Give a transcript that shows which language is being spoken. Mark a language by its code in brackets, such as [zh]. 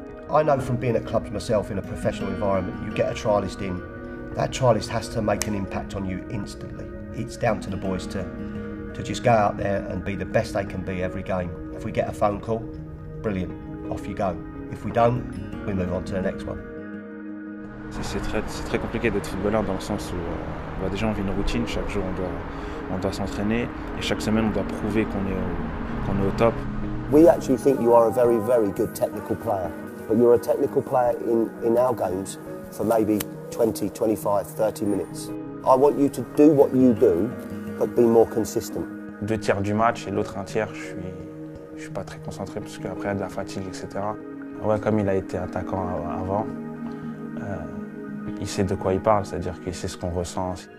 [en] I know from being at clubs myself in a professional environment, you get a trialist in, that trialist has to make an impact on you instantly. It's down to the boys to just go out there and be the best they can be every game. If we get a phone call, brilliant, off you go. If we don't, we move on to the next one. [fr] C'est très compliqué d'être footballeur dans le sens où déjà on vit une routine, chaque jour on doit s'entraîner et chaque semaine on doit prouver qu'on est au top. [en] We actually think you are a very, very good technical player. But you're a technical player in our games for maybe 20, 25, 30 minutes. I want you to do what you do, but be more consistent. [fr] Deux tiers du match et l'autre un tiers, je suis pas très concentré parce qu'après il y a de la fatigue, etc. Ouais, comme il a été attaquant avant, il sait de quoi il parle, c'est-à-dire qu'il sait ce qu'on ressent.